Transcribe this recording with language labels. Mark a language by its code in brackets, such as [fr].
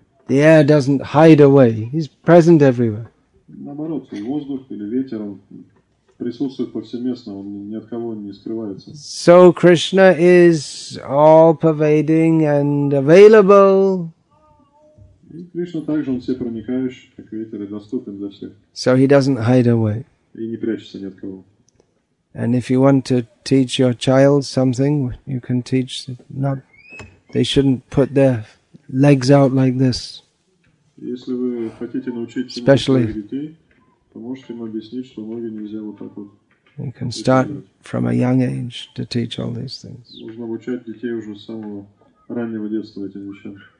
[en] The air doesn't hide away. He's present everywhere. [ru] Наоборот, воздух или ветер присутствует повсеместно, он ни от кого не скрывается. [en] So Krishna is all-pervading and available. [ru] И Кришна также он всепроникающий, как ветер, и доступен для всех. [en] So he doesn't hide away. [ru] И не прячется ни от кого. [en] And if you want to teach your child something, you can teach them. Not, they shouldn't put their legs out like this. [ru] Если вы хотите научить [en] especially [ru] детей, то можете им объяснить, что ноги нельзя вот так вот. [en] You can start from a young age to teach all these things. [ru] Нужно обучать детей уже с самого раннего детства этим вещам.